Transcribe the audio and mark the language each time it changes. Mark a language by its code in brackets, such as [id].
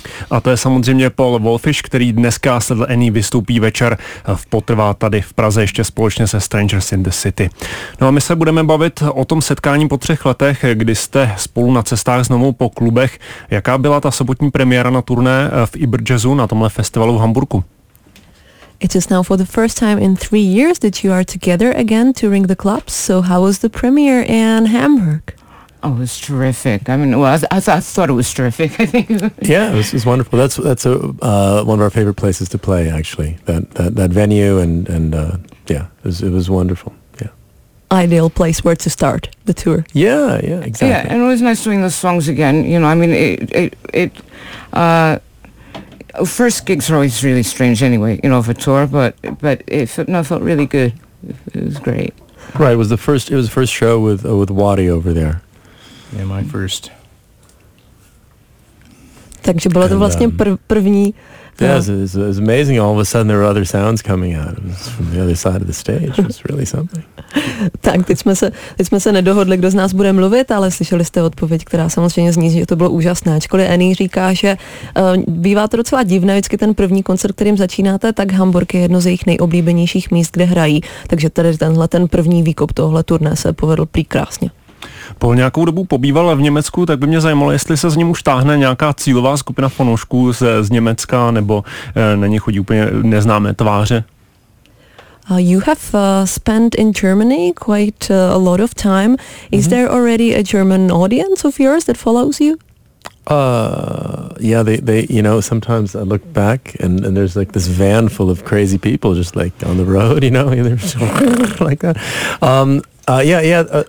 [cs] A to je samozřejmě Paul Wolfish, který dneska s Lil Annie vystoupí večer v Potrvá tady v Praze ještě společně se Strangers in the City. No a my se budeme bavit o tom setkání po třech letech, kdy jste spolu na cestách znovu po klubech. Jaká byla ta sobotní premiéra na turné v Iberjazzu na tomhle festivalu v Hamburku? [en] It is now for the first time in 3 years that you are together again touring the clubs. So how was the premiere in Hamburg? Oh, it was terrific. I mean, well, I thought it was terrific. I think. Yeah, it was wonderful. That's one of our favorite places to play, actually. That venue it was wonderful. Yeah. Ideal place where to start the tour. Yeah, exactly. Yeah, and it was nice doing those songs again. You know, I mean, first gigs are always really strange, anyway. You know, of a tour, but it felt really good. It was great. Right. It was the first show with Wadi over there. Yeah, my first. [cs] Takže bylo to vlastně první. [en] It's amazing. All of a sudden there were other sounds coming out. It was from the other side of the stage. It was really something. [cs] Tak, teď jsme se nedohodli, kdo z nás bude mluvit, ale slyšeli jste odpověď, která samozřejmě zní, že to bylo úžasné. Ačkoliv Annie říká, že bývá to docela divné, vždycky ten první koncert, kterým začínáte, tak Hamburg je jedno z jejich nejoblíbenějších míst, kde hrají. Takže tady tenhle ten první výkop tohle turné se povedl prý krásně. Po nějakou dobu pobýval v Německu, tak by mě zajímalo, jestli se z ním už táhne nějaká cílová skupina fanoušků z Německa, nebo na ně chodí úplně neznámé tváře. [en] You have spent in Germany quite a lot of time. Is there already a German audience of yours that follows you? Yeah, they you know, sometimes I look back and there's like this van full of crazy people just like on the road, you know, they're so like that.